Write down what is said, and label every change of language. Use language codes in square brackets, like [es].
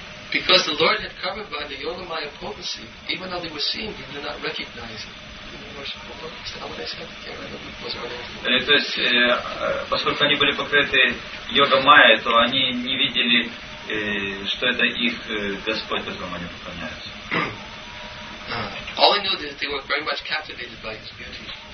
[en] Because the Lord had covered by the yogamaya potency, even though they were seeing, they did not recognize it. [ru] То есть, поскольку они были покрыты йогамаей, то они не видели, что это их Господь, которому они поклоняются. [en] All I knew is that they were very much captivated by his beauty.